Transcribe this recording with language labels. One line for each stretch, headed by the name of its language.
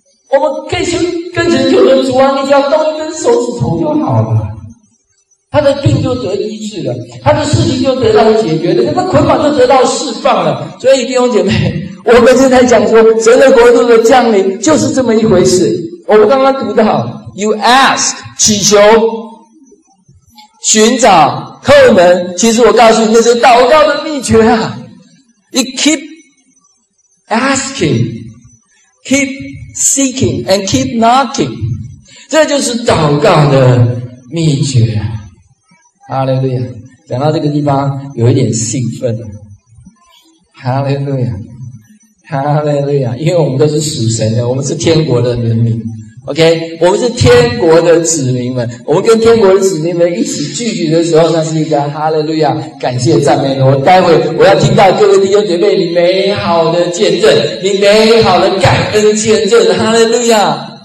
Chinese: 我们可以求跟神求的主啊，你只要动一根手指头就好了，他的病就得医治了，他的事情就得到解决了，他的捆绑就得到释放了。所以弟兄姐妹，我们现在讲说神的国度的降临就是这么一回事。我们刚刚读到
English: You ask
Chinese: 祈求寻找叩门，其实我告诉你那是祷告的秘诀啊。
English: You keep asking keep seeking and keep knocking，
Chinese: 这就是祷告的秘诀啊。哈利路亚，讲到这个地方有一点兴奋了。哈利路亚，哈利路亚，因为我们都是属神的，我们是天国的人民， OK， 我们是天国的子民们，我们跟天国的子民们一起聚集的时候，那是一个哈利路亚感谢赞美的。我待会我要听到各位弟兄姐妹你美好的见证，你美好的感恩见证，哈利路亚。